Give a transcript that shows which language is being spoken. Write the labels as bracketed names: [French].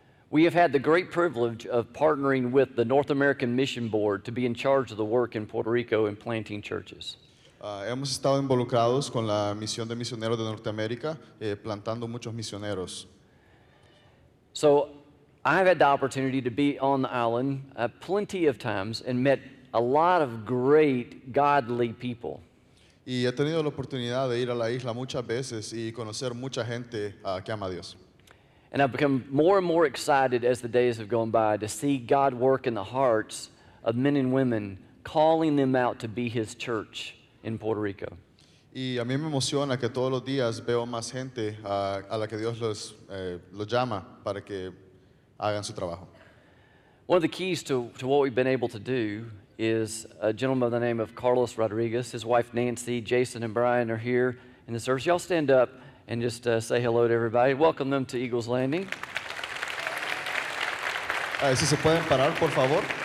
[English] We have had the great privilege of partnering with the North American Mission Board to be in charge of the work in Puerto Rico in planting churches. [Spanish] Hemos estado involucrados con la misión de misioneros de Norteamérica, plantando muchos misioneros. [English] So, I've had the opportunity to be on the island plenty of times and met a lot of great godly people. [Spanish] Y he tenido la oportunidad de ir a la isla muchas veces y conocer mucha gente que ama a Dios. [English] And I've become more and more excited as the days have gone by to see God work in the hearts of men and women, calling them out to be His church. In Puerto Rico. [Spanish] Y a mí me emociona que todos los días veo más gente a la que Dios los llama para que hagan su trabajo. [English] One of the keys to what we've been able to do is a gentleman by the name of Carlos Rodriguez. His wife Nancy, Jason, and Brian are here in the service. Y'all stand up and just say hello to everybody. Welcome them to Eagle's Landing. [Spanish] Si se pueden parar, por favor.